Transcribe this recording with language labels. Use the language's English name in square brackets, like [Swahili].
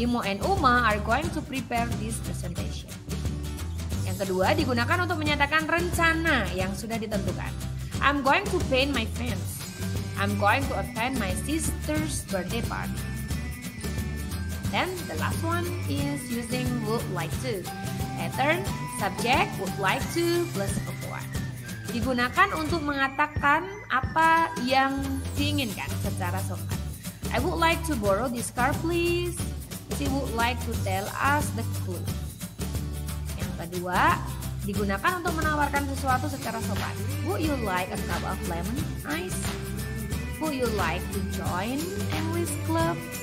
[English] Imo and Uma are going to prepare this presentation. [Indonesian] Yang kedua, digunakan untuk menyatakan rencana yang sudah ditentukan. [English] I'm going to paint my fence. I'm going to attend my sister's birthday party. Then the last one is using would like to. Pattern, subject, would like to, plus of one. [Indonesian] Digunakan untuk mengatakan apa yang diinginkan secara sopan. [English] I would like to borrow this car, please. She would like to tell us the clue. [Indonesian] Yang kedua, digunakan untuk menawarkan sesuatu secara sopan. [English] Would you like a cup of lemon ice? Would you like to join Emily's club?